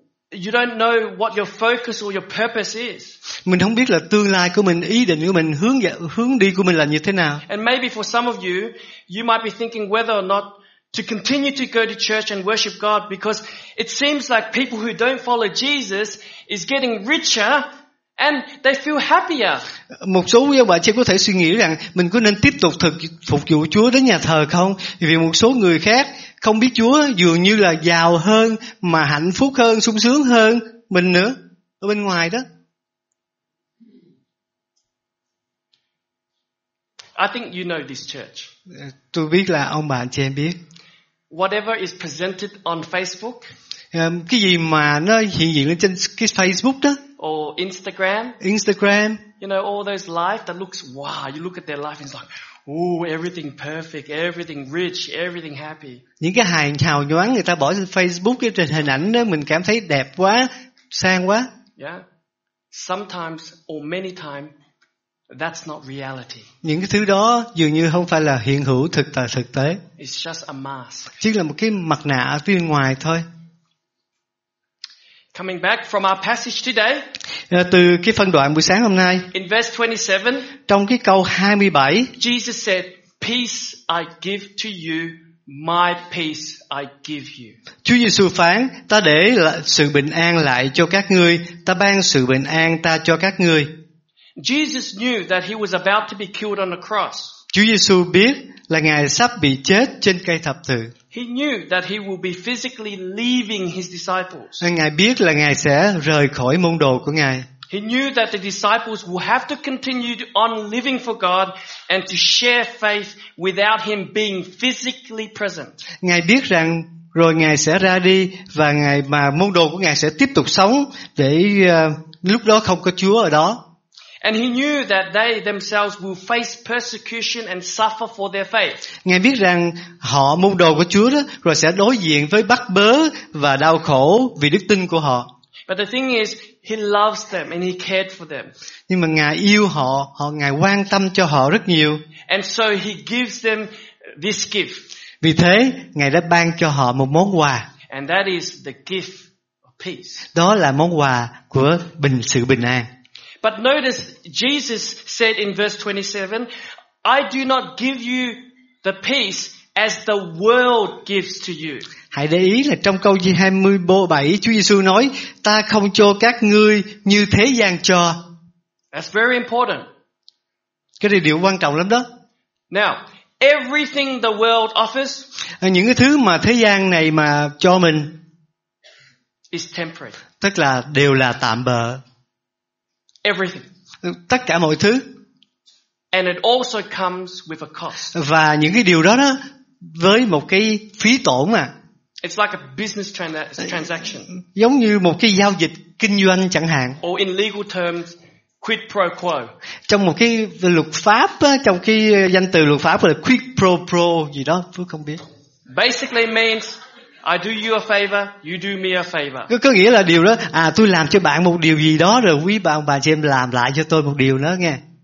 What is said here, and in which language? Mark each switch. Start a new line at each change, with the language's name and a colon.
English: You don't know what your focus or your purpose is.
Vietnamese: Mình không biết là tương lai của mình, ý định của mình, hướng đi của mình là như thế nào.
English: And maybe for some of you, you might be thinking whether or not to continue to go to church and worship God, because it seems like people who don't follow Jesus is getting richer and they feel happier.
Vietnamese: Một số quý ông bà chị có thể suy nghĩ rằng mình có nên tiếp tục phục vụ Chúa đến nhà thờ không? Vì một số người khác không biết Chúa dường như là giàu hơn mà hạnh phúc hơn, sung sướng hơn mình nữa ở bên ngoài đó.
English: I think you know this church.
Vietnamese: Tôi biết là ông bà chị em biết.
English: Whatever is presented on Facebook.
Vietnamese: Cái gì mà nó hiện diện lên trên cái Facebook đó.
English: Or Instagram.
Vietnamese: Instagram.
English: You know all those life that looks wow. You look at their life and it's like, ooh, everything perfect, everything rich, everything happy.
Vietnamese: Những cái hài hào nhoáng người ta bỏ trên Facebook cái trên hình ảnh đó mình cảm thấy đẹp quá, sang quá.
English: Yeah. Sometimes or many times. That's not reality.
Vietnamese: Những cái thứ đó dường như không phải là hiện hữu thực tế.
English: It's just a mask.
Vietnamese: Chỉ là một cái mặt nạ ở bên ngoài thôi.
English: Coming back from our passage today.
Vietnamese: Từ cái phân đoạn buổi sáng hôm nay.
English: In verse 27.
Vietnamese: Trong cái câu 27.
English: Jesus said, "Peace I give to you, my peace I give you."
Vietnamese: Chúa Giêsu phán, "Ta để sự bình an lại cho các ngươi, ta ban sự bình an ta cho các ngươi."
English: Jesus knew that he was about to be killed on the cross.
Vietnamese: Chúa Giêsu biết là Ngài sắp bị chết trên cây thập tự.
English: He knew that he will be physically leaving his disciples.
Vietnamese: Ngài biết là Ngài sẽ rời khỏi môn đồ của Ngài.
English: He knew that the disciples will have to continue on living for God and to share faith without him being physically present.
Vietnamese: Ngài biết rằng rồi Ngài sẽ ra đi và Ngài mà môn đồ của Ngài sẽ tiếp tục sống để lúc đó không có Chúa ở đó.
English: And he knew that they themselves will face persecution and suffer for their faith.
Vietnamese: Ngài biết rằng họ môn đồ của Chúa đó rồi sẽ đối diện với bắt bớ và đau khổ vì đức tin của họ.
English: But the thing is, he loves them and he cared for them.
Vietnamese: Nhưng mà Ngài yêu họ, Ngài quan tâm cho họ rất nhiều.
English: And so he gives them this gift.
Vietnamese: Vì thế, Ngài đã ban cho họ một món quà.
English: And that is the gift of peace.
Vietnamese: Đó là món quà của sự bình an.
English: But notice Jesus said in verse 27, "I do not give you the peace as the world gives to you."
Vietnamese: Hãy để ý là trong câu 27, Chúa Giêsu nói, "Ta không cho các ngươi như thế gian cho."
English: That's very important.
Vietnamese: Cái này điều quan trọng lắm đó.
English: Now, everything the world offers,
Vietnamese: những cái thứ mà thế gian này mà cho mình,
English: is temporary.
Vietnamese: Tức là đều là tạm bợ.
English: Everything.
Vietnamese: Tất cả mọi thứ.
English: And it also comes with a cost.
Vietnamese: Và những cái điều đó với một cái phí tổn mà.
English: It's like a business transaction.
Vietnamese: Giống như một cái giao dịch kinh doanh chẳng hạn.
English: Or in legal terms, quid pro quo.
Vietnamese: Trong một cái luật pháp, trong cái danh từ luật pháp là quid pro quo gì đó, tôi không biết.
English: Basically means I do you a favor, you do me a favor.
Vietnamese: Có nghĩa là điều đó, tôi làm cho bạn một điều gì đó rồi quý bà chị em làm lại cho tôi một điều đó nghe.